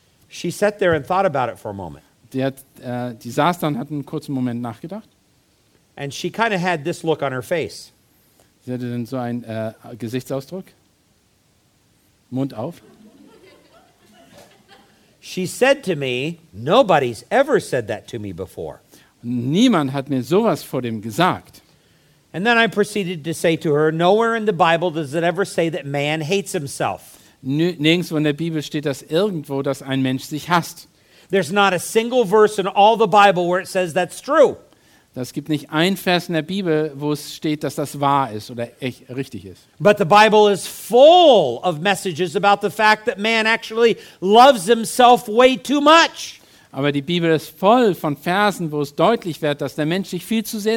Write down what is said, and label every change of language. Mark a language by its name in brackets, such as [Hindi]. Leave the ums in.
[German] Die, hat, äh, die saß dann hat einen kurzen Moment nachgedacht. [English] and she kind of had this look on her face. [German] Sie hatte dann so einen Gesichtsausdruck. Mund auf. [English] She said to me, nobody's ever said that to me before. [German] Niemand hat mir sowas vor dem gesagt. [English] And then I proceeded to say to her, nowhere in the Bible does it ever say that man hates himself. [German] Nirgendwo in der Bibel steht das irgendwo, dass ein Mensch sich hasst. [English] There's not a single verse in all the Bible where it says that's true. [German] Es gibt nicht ein Vers in der Bibel, wo es steht, dass das wahr ist oder echt richtig ist. Is Aber die Bibel ist voll von Versen, wo es deutlich wird, dass der Mensch sich viel zu sehr